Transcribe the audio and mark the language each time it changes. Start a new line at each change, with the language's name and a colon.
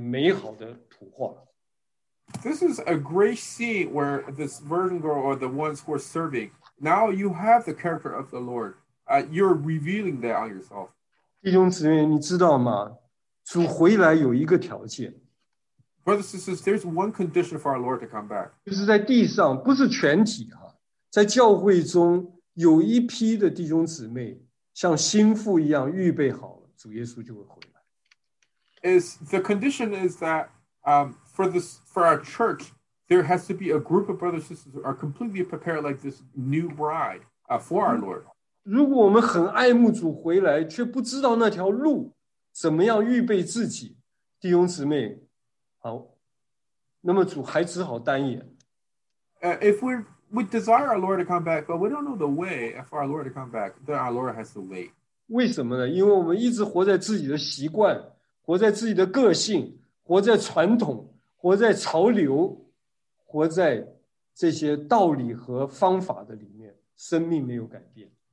Chinese: 这是当一个人呢，他的学习基督的性格在他里面出现，产生出来的一个美好的图画。This
English: is a great scene where this virgin girl or the ones who are serving, now you have the character of the Lord. You're revealing that on yourself.
Chinese: 弟兄姊妹，你知道吗？主回来有一个条件。Brothers
English: and sisters, there's one condition for our Lord to come back.
Chinese: 就是在地上，不是全体啊，在教会中有一批的弟兄姊妹像心腹一样预备好了，主耶稣就会回来。Is
English: the condition is that for this for our church, there has to be a group of brothers and sisters who are completely prepared like this new bride for our Lord.
Chinese: 如果我们很爱慕主回来，却不知道那条路。怎么样预备自己，弟兄姊妹，好，那么主还只好单言。
English: If we desire our Lord to come back, but we don't know the way for our Lord to come back, then our Lord has to wait.
Chinese: 为什么呢？因为我们一直活在自己的习惯，活在自己的个性，活在传统，活在潮流，活在这些道理和方法的里面，生命没有改变。